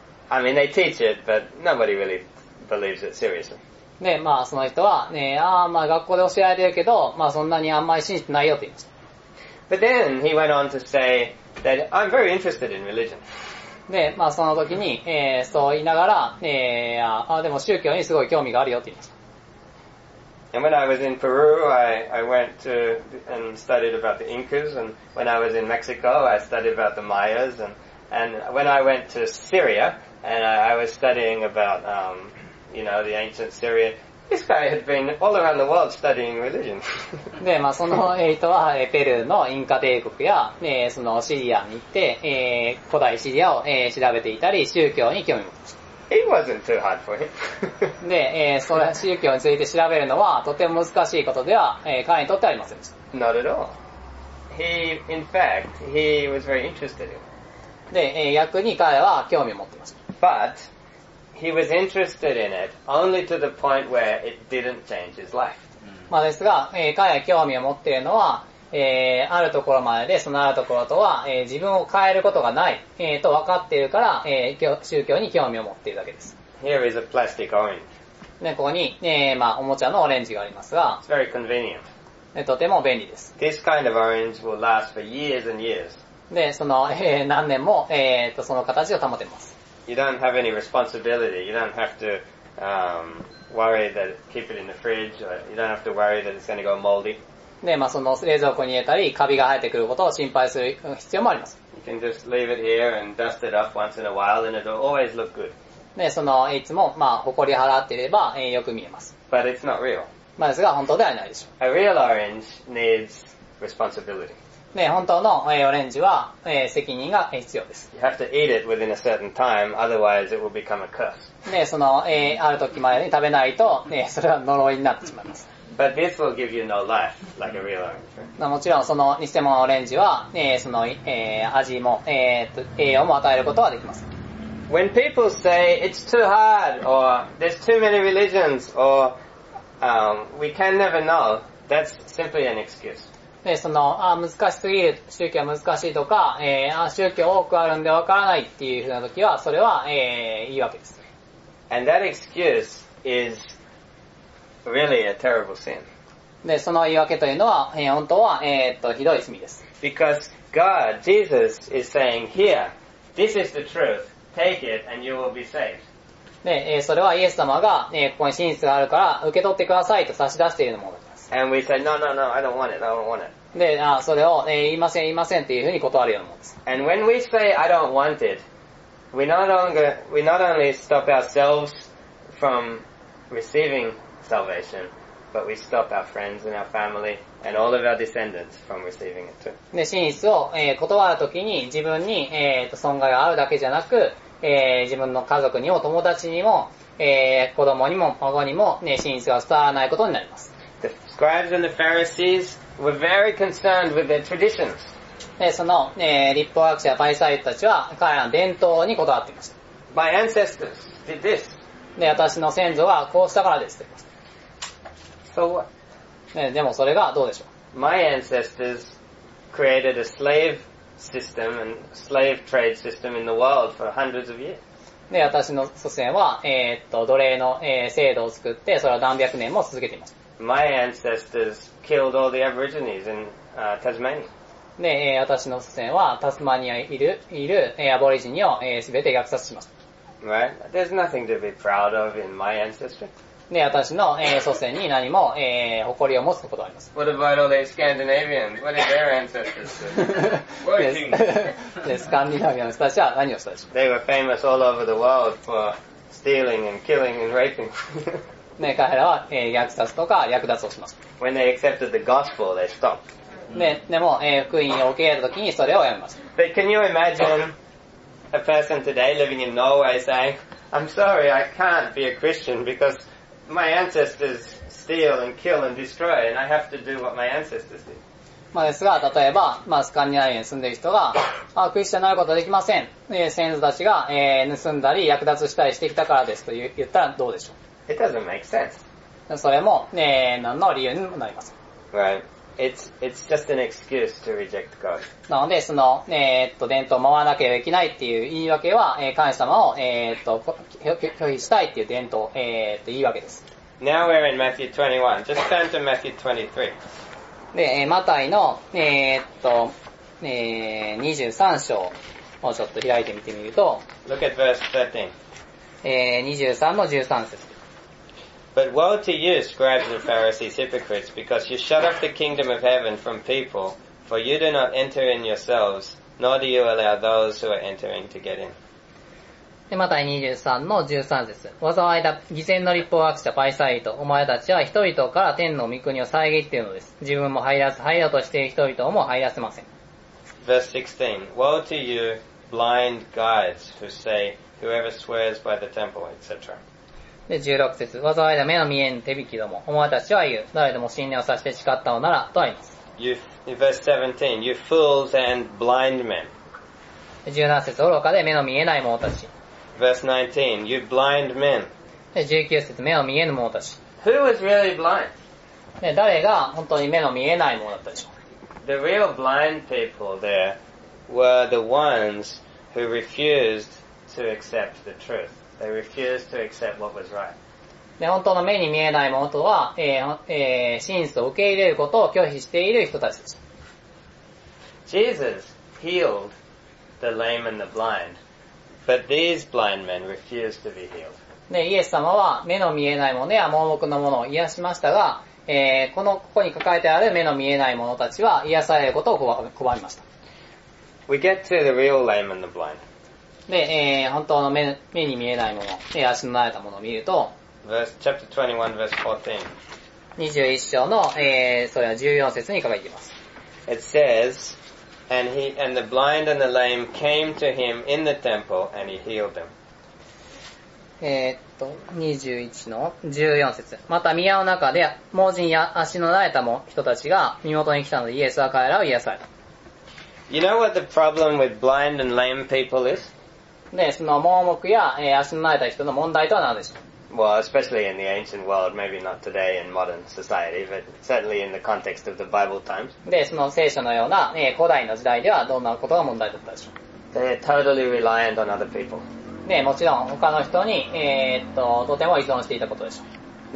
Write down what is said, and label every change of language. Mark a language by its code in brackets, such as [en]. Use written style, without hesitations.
[en] I mean, they teach it, but nobody really believes it seriously. [ja] で、まあ、その人は、ね、ああ、まあ、学校で教えられてるけど、まあ、そんなにあんまり信じてないよと言いました。 [en] But then he went on to say that I'm very interested in religion. [ja] で、まあその時に、そう言いながら、あ、でも宗教にすごい興味があるよって言いました。 [en] And when I was in Peru, I went to and studied about the Incas, and when I was in Mexico, I studied about the Mayas, and when I went to Syria, and I was studying about, you know, the ancient Syria. This guy had been all around the world studying religion. [ja] で、まあ、その人は、ペルーのインカ帝国や、そのシリアに行って、古代シリアを、調べていたり、宗教に興味を持ちました。 [en] It wasn't too hard for him. [ja] で、それ、宗教について調べるのは、とても難しいことでは、彼にとってはありませんでした。 [en] Not at all. He, in fact, he was very interested in it. [ja] で、逆に彼は興味を持っていました。 [en] But,He was interested in it only to the point where it didn't change his life. [ja] まあですが、彼が興味を持っているのは、あるところまでで、そのあるところとは、自分を変えることがない、と分かっているから、宗教に興味を持っているだけです。 [en] Here is a plastic orange. [ja] ね、ここに、まあ、おもちゃのオレンジがありますが、 [en] It's very convenient. [ja] ね、とても便利です。 [en] This kind of orange will last for years and years. [ja] で、その、何年も、その形を保てます。 [en] You don't have any responsibility. You don't have to, worry that keep it in the fridge, or you don't have to worry that it's going to go moldy. [ja] で、まあ、その冷蔵庫に入れたり、カビが生えてくることを心配する必要もあります。 [en] You can just leave it here and dust it up once in a while and it'll always look good. [ja] で、その、いつも、まあ、ほこり払っていれば、よく見えます。 [en] But it's not real. [ja] まあ、ですが、本当ではないでしょう。 [en] A real orange needs responsibility. [ja] ね、本当の、オレンジは、責任が必要です。 [en] You have to eat it within a certain time, otherwise it will become a curse. [ja] ね、その、ある時までに食べないと、ね、それは呪いになってしまいます。 [en] But this will give you no life, like a real orange, right? [ja] もちろん、その偽物オレンジは、ね、その、味も、栄養も与えることはできません。 [en] When people say, it's too hard, or there's too many religions, or, we can never know, that's simply an excuse. [ja] で、その、あ、難しすぎる、宗教は難しいとか、あ、宗教多くあるんでわからないっていうふうな時は、それは、いいわけです。 [en] And that excuse is really a terrible sin. [ja] で、その言い訳というのは、本当は、ひどい罪です。 [en] Because God, Jesus, is saying here, this is the truth, take it and you will be saved. [ja] で、それはイエス様が、ここに真実があるから、受け取ってくださいと差し出しているものです。 [en] And we said, no, no, no, I don't want it, I don't want it. [ja] で、あ、それを、言いません、言いませんっていうふうに断るようなものです。 [en] And when we say, I don't want it, we not only stop ourselves from receiving salvation, but we stop our friends and our family and all of our descendants from receiving it too. [ja] で、真実を、断るときに自分に、損害があるだけじゃなく、自分の家族にも友達にも、子供にも孫にも、ね、真実が伝わらないことになります。 [en] The scribes and the Pharisees were very concerned with their traditions. [ja] で、その、立法学者やパリサイ人たちは彼らの伝統にこだわっていました。 [en] My ancestors did this. [ja] で、私の先祖はこうしたからですと言いました。 [en] So what? [ja] で、でもそれがどうでしょう。 [en] My ancestors created a slave system and slave trade system in the world for hundreds of years. [ja] で、私の祖先は、奴隷の、制度を作って、それを何百年も続けています。 [en] My ancestors killed all the Aborigines in, Tasmania. [ja] で、私の祖先は、タスマニアにいる、アボリジニを、すべて虐殺しました。 [en] Right? There's nothing to be proud of in my ancestry. [ja] で、私の、祖先に何も、誇りを持つことがあります。 [en] What about all the Scandinavians? What did their ancestors do? What did they do? [ja] スカンディナビアの人たちは何をしたでしょう。 [en] They were famous all over the world for stealing and killing and raping. [ja] ね、彼らは、虐殺とか略奪をします。 [en] When they accepted the gospel, they stopped. [ja] ね、でも、福音を受け入れた時にそれをやめました。 [en] But can you imagine a person today living in Norway saying, I'm sorry, I can't be a Christian because my ancestors steal and kill and destroy and I have to do what my ancestors did. [ja] まあ、ですが、例えば、まあ、スカンディナビアに住んでいる人が、まあ、クリスチャンになることはできません。先祖たちが、盗んだり、略奪したりしてきたからですと言ったらどうでしょう。 [en] It doesn't make sense. [ja] それも、何の理由にもなりません。 [en] Right. It's just an excuse to reject God. [ja] なので、その、伝統を守らなければいけないっていう言い訳は、神様を、拒否したいっていう伝統、言い訳です。 [en] Now we're in Matthew 21. Just turn to Matthew 23. [ja] で、マタイの、23章をちょっと開いてみてみると、 [en] Look at verse [ja] 13. 23の13節。 [en] But woe to you, scribes and Pharisees, hypocrites, because you shut up the kingdom of heaven from people, for you do not enter in yourselves, nor do you allow those who are entering to get in. [ja] で、マタイ23の13節。災いだ、偽善の立法学者、パリサイ人。お前たちは人々から天の御国を遮っているのです。自分も入らず、入ろうとしている人々をも入らせません。 [en] Verse 16. Woe to you, blind guides, who say, whoever swears by the temple, etc. [ja] で、16節。災いだ、目の見えぬ手引きども。お前たちは言う。誰でも信念をさして誓ったのなら、とあります。 [en] Verse 17. You fools and blind men. [ja] 17節。愚かで目の見えない者たち。 [en] Verse 19, you blind men. [ja] 19節、目の見えぬ者たち。 [en] Who was really blind? [ja] 誰が本当に目の見えない者だったでしょう。 [en] The real blind people there were the ones who refused to accept the truth. They refused to accept what was right. [ja] 本当の目に見えない者とは、真実を受け入れることを拒否している人たちです。 [en] Jesus healed the lame and the blind. But these blind men refused to be healed. [ja] で、イエス様は目の見えない者や盲目の者を癒しましたが、このここに書かれてある目の見えない者たちは癒されることを拒みました。 [en] We get to the real lame and the blind. [ja] で、本当の 目に見えない者、足の慣れた者を見ると、 [en] Chapter 21, verse 14. 21 [ja] 章の、それは14節に書かれています。 [en] It says,And the blind and the lame came to him in the temple and he healed them. [ja] 21の14節。また宮の中で盲人や足のられた人たちが身元に来たのでイエスは彼らを癒された。 [en] You know what the problem with blind and lame people is? [ja] で、その盲目や足のられた人の問題とは何でしょう? [en] Well, especially in the ancient world, maybe not today in modern society, but certainly in the context of the Bible times. [ja] で、その聖書のような、古代の時代ではどんなことが問題だったでしょう? They're totally reliant on other people. で、もちろん他の人に、とても依存していたことでしょう。